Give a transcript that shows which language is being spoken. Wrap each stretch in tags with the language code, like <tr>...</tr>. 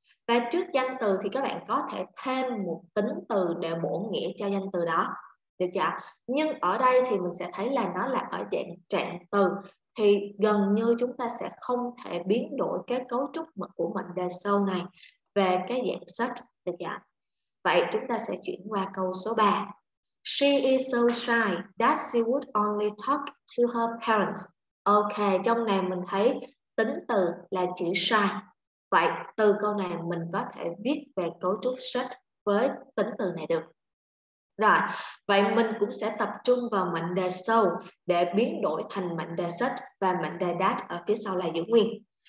<vi>Và trước danh từ thì các bạn có thể thêm một tính từ để bổ nghĩa cho danh từ đó. Được chưa? Nhưng ở đây thì mình sẽ thấy là nó là ở dạng trạng từ. Thì gần như chúng ta sẽ không thể biến đổi cái cấu trúc của mệnh đề so này về cái dạng such. Được chưa? Vậy chúng ta sẽ chuyển qua câu số 3.</vi> <en>She is so shy that she would only talk to her parents.</en> <vi>Ok, trong này mình thấy tính từ là chữ shy. Vậy từ câu này mình có thể viết về cấu trúc such với tính từ này được. Rồi, vậy mình cũng sẽ tập trung vào mệnh đề so để biến đổi thành mệnh đề such và mệnh đề that ở phía sau là giữ nguyên.</vi>